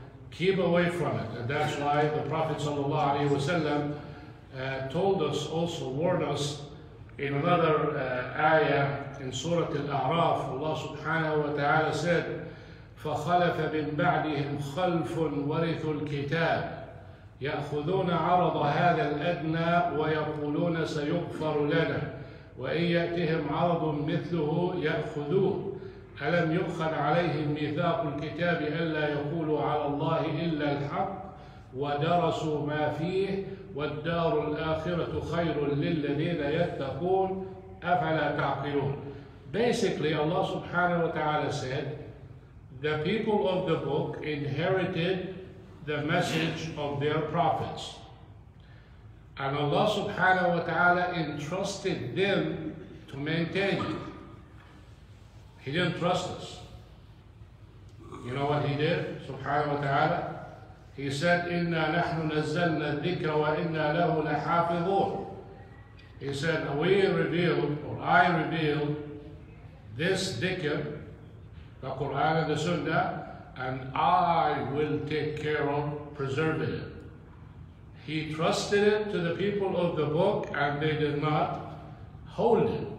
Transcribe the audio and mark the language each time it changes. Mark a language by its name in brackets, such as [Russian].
[English] Keep away from it. And that's why the Prophet sallallahu alayhi wa sallam told us, also warned us in another ayah in Surah Al-A'raf, Allah subhanahu wa ta'ala said, [Arabic] فَخَلَفَ مِنْ بَعْدِهِمْ خَلْفٌ وَرِثُوا الْكِتَابِ يأخذون عرض هذا الأدنى ويقولون سيغفر لنا وإن يأتهم عرض مثله يأخذوه ألم يؤخذ عليهم ميثاق الكتاب ألا يقولوا على الله إلا الحق ودرسوا ما فيه والدار الآخرة خير للذين يتقون أفلا تعقلون. [English] Basically, Allah subhanahu wa ta'ala said, the people of the book inherited the message of their prophets. And Allah subhanahu wa ta'ala entrusted them to maintain it. He didn't trust us. You know what he did, subhanahu wa ta'ala? He said, [Arabic] إِنَّا نَحْنُ نَزَّلْنَا الذِّكْرَ وَإِنَّا لَهُ لَحَافِظُونَ. [English] He said, I revealed, this dhikr, the Quran and the Sunnah, and I will take care of preserving it. He trusted it to the people of the book and they did not hold it.